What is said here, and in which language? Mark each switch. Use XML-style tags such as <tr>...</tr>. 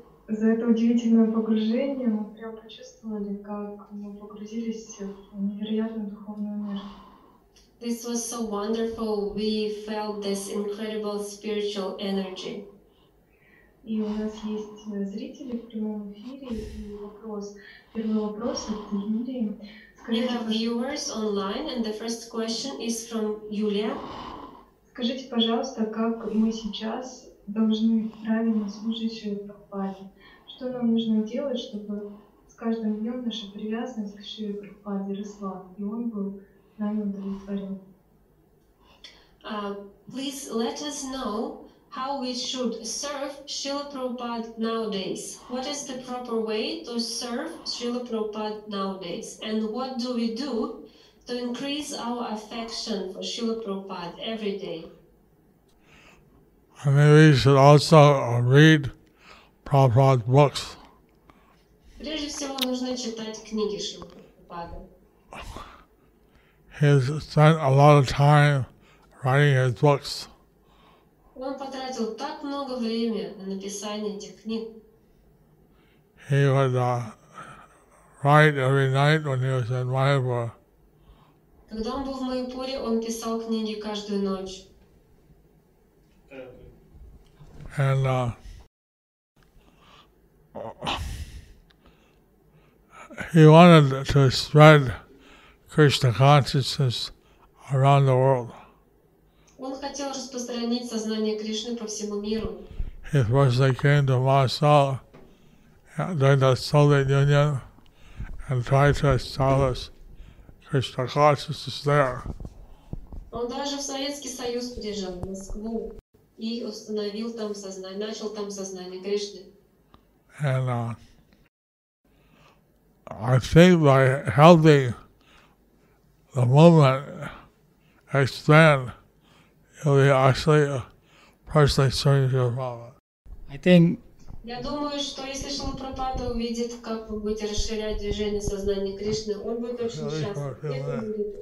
<ru>За это удивительное погружение мы прям почувствовали, как мы погрузились в невероятную духовную энергию.</ru> <en>This was so wonderful. We felt this incredible spiritual energy.</en> <ru>И у нас есть зрители в прямом эфире и вопрос. Первый вопрос от Юлии.</ru> <en>We have viewers online, and the first question is from Yulia.</en> <ru>Скажите, пожалуйста, как мы сейчас должны правильно служить Шриле Прабхупаде? Что нам нужно делать, чтобы с каждым днем наша привязанность к Шриле Прабхупаде росла, и он был нами удовлетворен?</ru> <en>Please let us know how we should serve Srila Prabhupada nowadays. What is the proper way to serve Srila Prabhupada nowadays? And what do we do to increase our affection for Srila Prabhupada every day? And maybe you should also read Prabhupada's books.</en> <ru>Прежде всего нужно читать книги Шрилы Прабхупады.</ru> <en>He has spent a lot of time writing his books.</en> <ru>Он потратил так много времени на написание этих книг.</ru> <en>He would write every night when he was in Mayapur.</en> <ru>Когда он был в Майпуре, он писал книги каждую ночь.</ru> <en>And he wanted to spread Krishna consciousness around the world.</en> <ru>Он хотел распространить сознание Кришны по всему миру.</ru> <en>He first came to Moscow during the Soviet Union and tried to establish Krishna consciousness there.</en> <ru>Он даже в Советский Союз приезжал, в Москву. И установил там сознание, начал там сознание Кришны.</ru> <en>And I think by helping the movement expand, you'll be actually personally serving Srila Prabhupada. I think.</en> <ru>Я думаю, что если Шрила Прабхупада увидит, как вы будете расширять движение сознания Кришны, он будет очень счастлив.</ru>